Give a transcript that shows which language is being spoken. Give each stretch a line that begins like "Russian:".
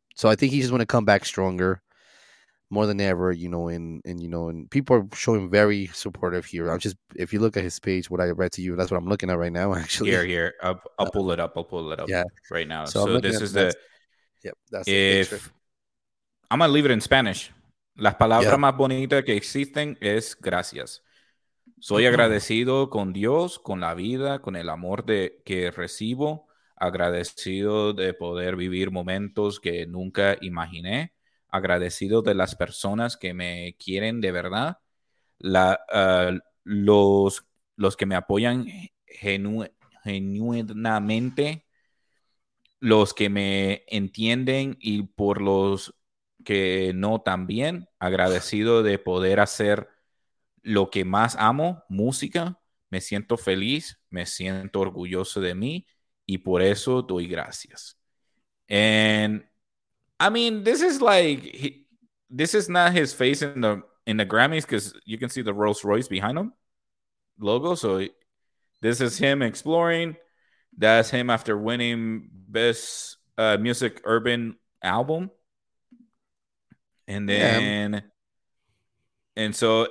English: So I think he just want to come back stronger, more than ever, you know. And you know, and people are showing very supportive here. If you look at his page, what I read to you, that's what I'm looking at right now. Actually, here, I'll pull it up. Yeah. Right now. So this is the picture. I'm gonna leave it in Spanish.
Spanish: Las palabras más bonitas que existen es gracias. Soy agradecido con Dios, con la vida, con el amor que recibo. Agradecido de poder vivir momentos que nunca imaginé. Agradecido de las personas que me quieren de verdad. Los que me apoyan genuinamente. Los que me entienden y por los que no también. Agradecido de poder hacer lo que más amo, música. Me siento feliz, me siento orgulloso de mí, y por eso doy gracias.
English: And I mean, this is like, this is not his face in the Grammys, because you can see the Rolls Royce behind him logo. So this is him exploring. That's him after winning Best Music Urban Album. And then... Yeah.